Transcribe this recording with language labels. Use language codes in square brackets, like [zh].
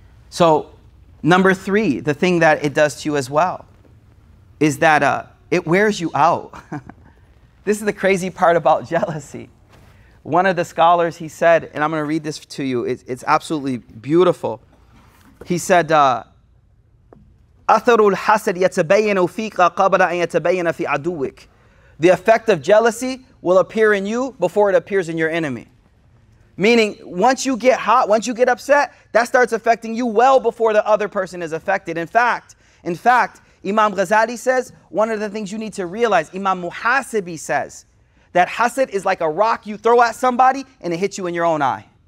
[en] So, number three, the thing that it does to you as well, is that it wears you out. This is the crazy part about jealousy. One of the scholars, he said, and I'm going to read this to you. It's absolutely beautiful. He said, [ar] أثر الحسد يتبين فيك قبل أن يتبين في عدوك. [en] The effect of jealousy will appear in you before it appears in your enemy. Meaning, once you get hot, once you get upset, that starts affecting you well before the other person is affected. In fact, Imam Ghazali says, one of the things you need to realize, Imam Muhasibi says, that hasad is like a rock you throw at somebody and it hits you in your own eye.